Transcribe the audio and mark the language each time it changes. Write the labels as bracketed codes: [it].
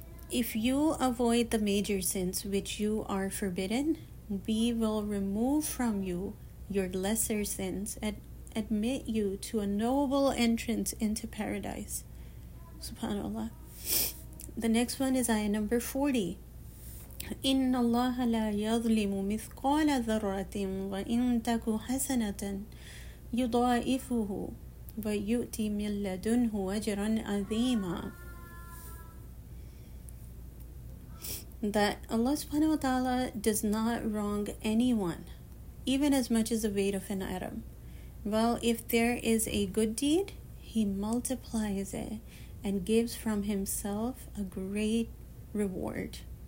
[en] If you avoid the major sins which you are forbidden, we will remove from you your lesser sins and admit you to a noble entrance into paradise. SubhanAllah. The next one is ayah number 40. [ar] إن الله لا يظلم مثقال ذرة وإن تك حسنة يضاعفه ويؤتي من لدنه أجرا عظيما. [en] That Allah subhanahu wa ta'ala does not wrong anyone, even as much as the weight of an atom. Well, if there is a good deed, He multiplies it and gives from Himself a great reward.